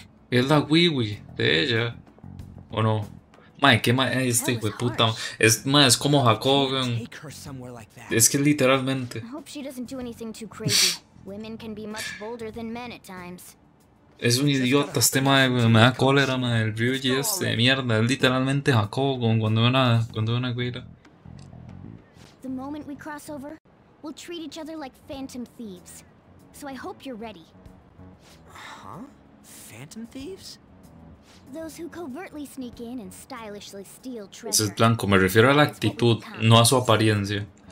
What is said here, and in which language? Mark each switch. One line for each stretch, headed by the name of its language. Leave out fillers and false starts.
Spanish: Es la Wiwi de ella. ¿O no? Mae, qué mae este hijo de puta. Es mae, es como Jacob. Es que literalmente.
English: I hope she doesn't do anything too crazy. Women can be much bolder than men at times.
Spanish: Es un idiota este mae, me da cólera, mae, el Ryuji este de mierda, es literalmente Jacob cuando una guira.
English: The moment we cross over, we'll treat each other like phantom thieves. So I hope you're ready. Huh? Phantom thieves? Those who covertly sneak in and stylishly steal treasure.
Spanish: Ese es blanco, me refiero a la actitud, no a su apariencia.